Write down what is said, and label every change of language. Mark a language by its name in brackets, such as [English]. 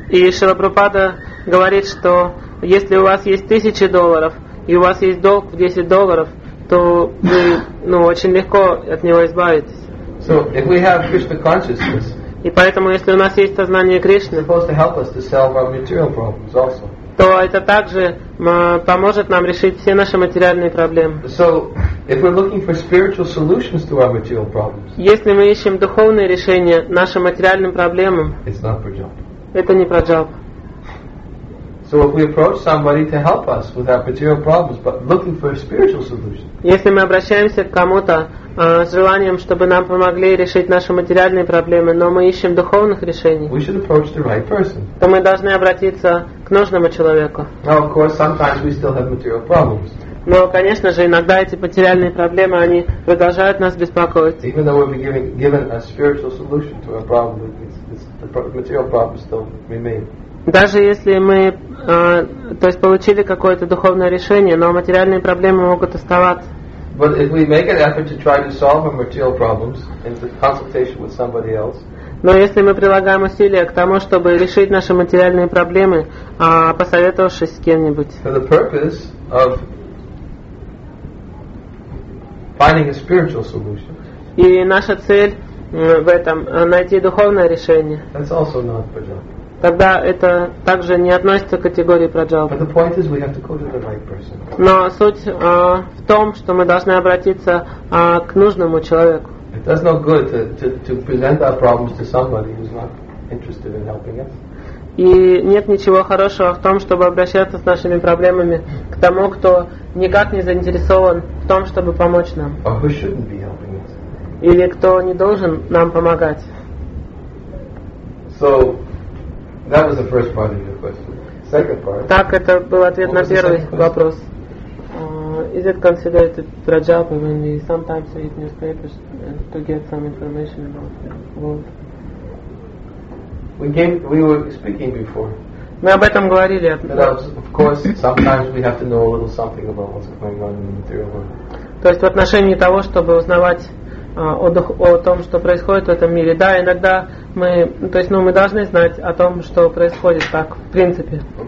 [Russian] И Шрила Прабхупада говорит, что если у вас есть $1,000 и у вас есть долг в $10, то вы, ну, очень легко от него избавитесь. [English] So if we have Krishna consciousness, [Russian] и поэтому, если у нас есть сознание Кришны, [English] supposed to help us to solve our material problems also. [Russian] То это также поможет нам решить все наши материальные проблемы. [English] So if we're looking for spiritual solutions to our material problems, [Russian] если мы ищем духовные решения нашим материальным проблемам, [English] it's not prajap. [Russian] Это не праджап. [English] So if we approach somebody to help us with our material problems, but looking for a spiritual solution. [Russian] Если мы обращаемся к кому-то с желанием, чтобы нам помогли решить наши материальные проблемы, но мы ищем духовных решений. [English] We should approach the right person. [Russian] То мы должны обратиться к нужному человеку. [English] Now, of course, sometimes we still have material problems. [Russian] Но, конечно же, иногда эти материальные проблемы, они продолжают нас беспокоить. [English] Even though we're given a spiritual solution to our problem, the material problems still remain. [Russian] Даже если мы то есть получили какое-то духовное решение, но материальные проблемы могут оставаться. [English] But if we make an effort to try to solve our material problems in the consultation with somebody else. [Russian] Но если мы прилагаем усилия к тому, чтобы решить наши материальные проблемы, посоветовавшись с кем-нибудь. [English] For the purpose of finding a spiritual solution. [Russian] И наша цель в этом найти духовное решение. [English] That's also not prajap. [Russian] Тогда это также не относится к категории праджапы. [English] But the point is, we have to go to the right person. [Russian] Но суть в том, что мы должны обратиться к нужному человеку. [English] It does no good to present our problems to somebody who's not interested in helping us. [Russian] И нет ничего хорошего в том, чтобы обращаться с нашими проблемами к тому, кто никак не заинтересован в том, чтобы помочь нам. [English] Or who shouldn't be helping us. [Russian] Или кто не должен нам помогать. [English] So, that was the first part of your question. Second part. [Russian] Так, это был ответ на первый вопрос. [English] Is it considered to prajap when we sometimes read newspapers to get some information about the world? We were speaking before. [Russian] Мы об этом говорили. [English] Of course, sometimes we have to know a little something about what's going on in the material world. [Russian] То есть в отношении того, чтобы узнавать о том, что происходит в этом мире. Да, иногда мы, то есть, ну, мы должны знать о том, что происходит так, в принципе.